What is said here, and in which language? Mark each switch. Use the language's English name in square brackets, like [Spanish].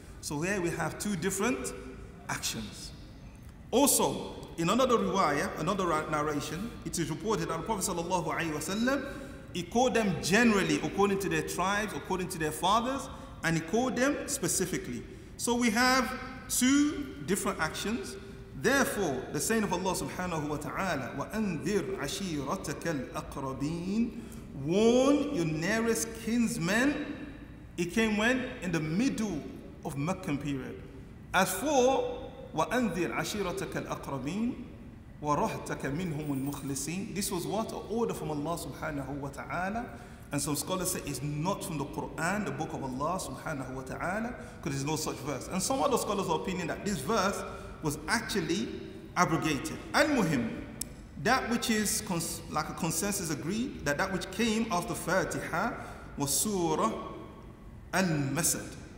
[English] So here we have two different actions. Also, in another riwayah, another narration, it is reported that the Prophet sallallahu alayhi wa sallam, he called them generally according to their tribes, according to their fathers, and he called them specifically. So we have two different actions. Therefore, the saying of Allah subhanahu wa ta'ala, [Arabic] وَأَنذِرْ عَشِيرَتَكَ الْأَقْرَبِينَ, [English] warn your nearest kinsmen. It came when? In the middle of Meccan period. As for, [Arabic] وَأَنذِرْ عَشِيرَتَكَ الْأَقْرَبِينَ وَرَحْتَكَ مِنْهُمُ الْمُخْلِصِينَ, [English] this was what? An order from Allah subhanahu wa ta'ala. And some scholars say it's not from the Quran, the book of Allah subhanahu wa ta'ala, because there's no such verse. And some other scholars are opinion that this verse was actually abrogated. Al-Muhim, that which is like a consensus agreed, that which came after Fatiha was Surah Al Masad.